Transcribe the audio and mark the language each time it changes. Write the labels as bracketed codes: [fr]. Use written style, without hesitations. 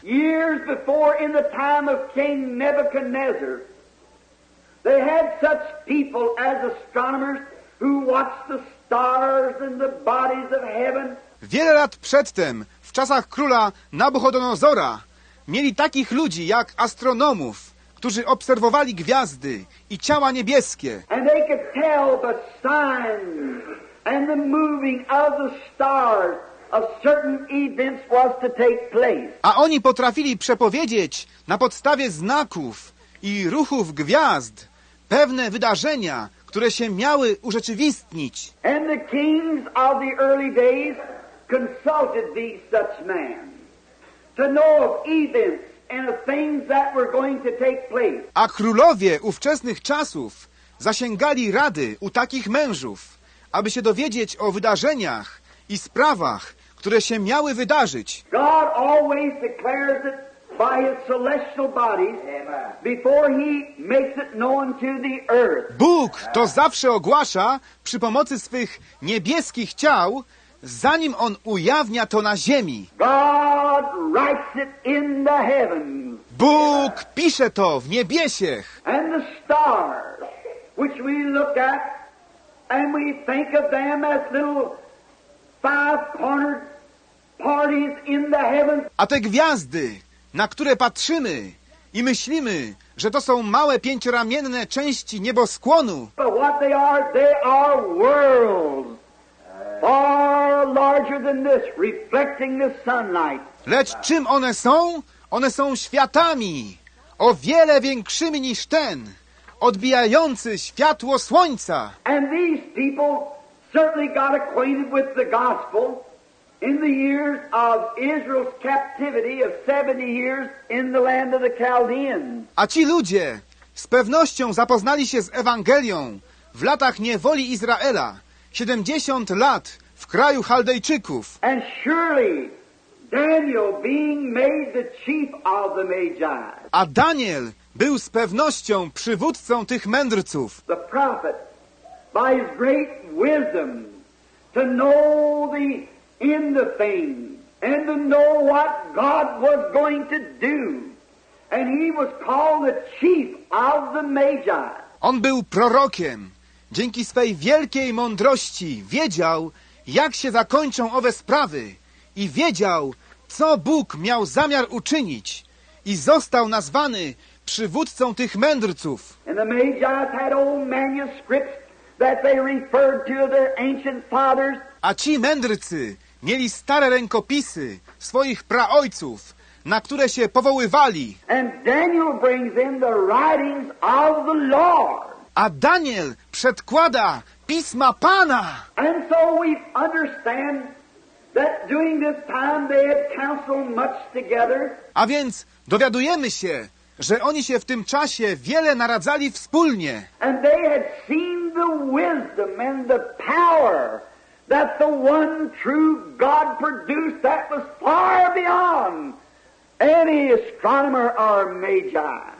[en] Years before, in the time of King Nebuchadnezzar, they had such people as astronomers who watched the stars and the bodies of heaven. [pl] Wiele lat przedtem, w czasach króla Nabuchodonozora, mieli takich ludzi jak astronomów, którzy obserwowali gwiazdy i ciała niebieskie. [en] And they could tell the signs and the moving of the stars of certain events was to take place. [pl] A oni potrafili przepowiedzieć na podstawie znaków i ruchów gwiazd pewne wydarzenia, które się miały urzeczywistnić. [en] And the kings of the early days consulted these such men to know of events and of things that were going to take place. [pl] A królowie ówczesnych czasów zasięgali rady u takich mężów, aby się dowiedzieć o wydarzeniach i sprawach, które się miały wydarzyć. [en] God always declares it by his celestial bodies before he makes it known to the earth. [pl] Bóg to zawsze ogłasza przy pomocy swych niebieskich ciał, zanim on ujawnia to na ziemi. [en] God writes it in the heavens. [pl] Bóg pisze to w niebiesiech. [en] And the stars, which we look at and we think of them as little five-cornered parties in the heavens. [pl] A te gwiazdy, na które patrzymy i myślimy, że to są małe pięcioramienne części nieboskłonu. [en] But what they are worlds far larger than this, reflecting the sunlight. [pl] Lecz czym one są? One są światami o wiele większymi niż ten, odbijający światło słońca. [en] And these people certainly got acquainted with the gospel in the years of Israel's captivity of 70 years in the land of the Chaldeans. [pl] A ci ludzie z pewnością zapoznali się z Ewangelią w latach niewoli Izraela, 70 lat w kraju Chaldejczyków. [en] And surely Daniel being made the chief of the Magi. [pl] A Daniel był z pewnością przywódcą tych mędrców. [en] The prophet, by his great wisdom, to know the end of things and to know what God was going to do. And he was called the chief of the Magi. [pl] On był prorokiem. Dzięki swej wielkiej mądrości wiedział, jak się zakończą owe sprawy i wiedział, co Bóg miał zamiar uczynić i został nazwany przywódcą tych mędrców. [en] And the Magi had old manuscripts that they referred to their ancient fathers. [pl] A ci mędrcy mieli stare rękopisy swoich praojców, na które się powoływali. [en] And Daniel brings in the writings of the Lord. [pl] A Daniel przedkłada Pisma Pana. [en] And so we understand that during this time they had counseled much together. [pl] A więc dowiadujemy się, że oni się w tym czasie wiele naradzali wspólnie. [en] And they had seen the wisdom and the power that the one true God produced that was far beyond any astronomer or magi.